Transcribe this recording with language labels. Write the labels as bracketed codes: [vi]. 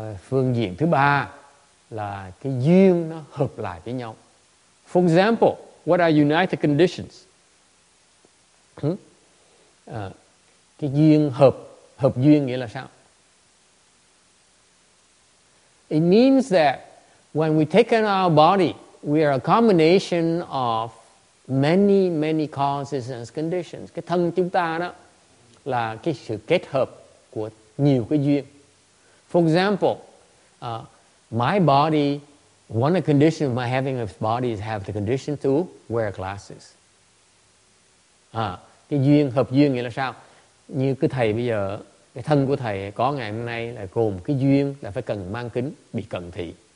[vi] Phương diện thứ ba là cái duyên nó hợp lại với nhau. [en] For example, what are united conditions? [vi] Cái duyên hợp duyên nghĩa là sao? [en] It means that when we take in our body, we are a combination of many, many causes and conditions. [vi] Cái thân chúng ta đó là cái sự kết hợp của nhiều cái duyên. [en] For example, my body, one of the conditions of my having a body is have the condition to wear glasses. [vi] Cái duyên, hợp duyên nghĩa là sao? Như cái thầy bây giờ, cái thân của thầy có ngày hôm nay là gồm cái duyên là phải cần mang kính, bị cận thị.